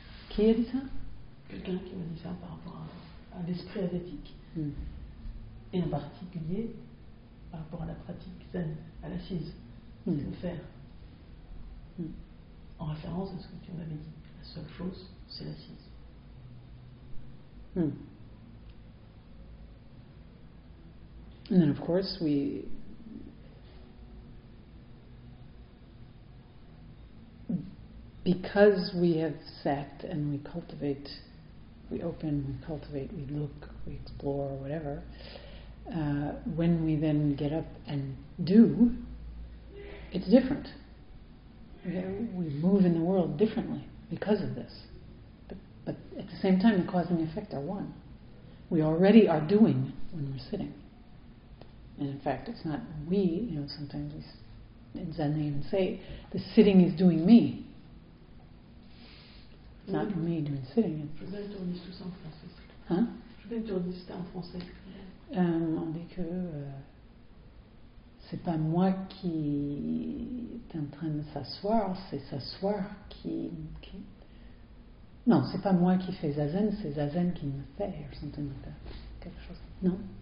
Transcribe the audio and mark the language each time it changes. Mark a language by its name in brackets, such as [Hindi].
[French] Qui a dit ça? Quelqu'un qui m'a dit ça par rapport à l'esprit asiatique. Et en particulier par rapport à la pratique zen, à l'assise. C'est le faire. En référence à ce que tu m'avais dit. La seule chose, c'est l'assise. [English] And then, of course, we because we have sat and we cultivate, we open, we cultivate, we look, we explore, whatever, when we then get up and do, it's different. We move in the world differently because of this. But at the same time, the cause and the effect are one. We already are doing when we're sitting. And in fact, it's not we, you know, sometimes in Zen they even say, the sitting is doing me. It's not me doing sitting. [French] Je vais te redire tout ça en français. Hein? Je vais te redire ça en français. On dit que c'est pas moi qui est en train de s'asseoir, c'est s'asseoir qui non, c'est pas moi qui fais zazen, c'est zazen qui me fait, [English] or something like that. [French] Quelque chose. Non?